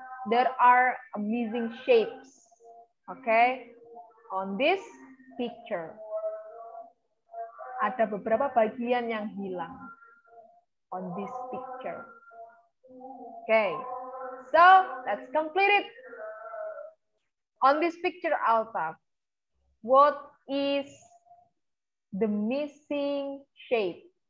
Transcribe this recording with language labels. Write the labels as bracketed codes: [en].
[en] there are amazing shapes, okay, on this picture. [id] Ada beberapa bagian yang hilang [en] on this picture. Okay, so let's complete it. On this picture, Alta, what is the missing shape?